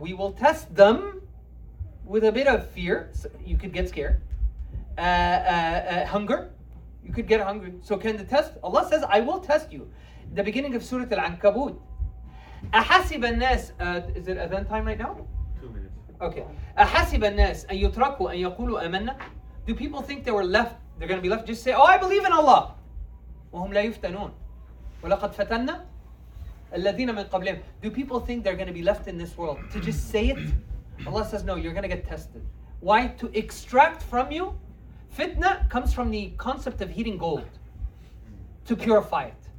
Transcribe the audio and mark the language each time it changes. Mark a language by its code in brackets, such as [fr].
[en] We will test them with a bit of fear. So you could get scared. Hunger. You could get hungry. So can the test? Allah says, I will test you. The beginning of Surah Al-Ankabut. [ar] أَحَسِبَ النَّاسَ [en] is it adhan time right now? 2 minutes. Okay. [ar] أَحَسِبَ النَّاسَ أَن يُتْرَكُوا أَن يَقُولُوا أَمَنَّا. [en] Do people think they were left, they're going to be left, just say, oh, I believe in Allah. [ar] وَهُمْ لَا يُفْتَنُونَ وَلَقَدْ فَتَنَّا الَّذِينَ مِنْ قَبْلِهِمْ. [en] Do people think they're going to be left in this world to just say it? Allah says, no, you're going to get tested. Why? To extract from you. Fitna comes from the concept of heating gold. To purify it.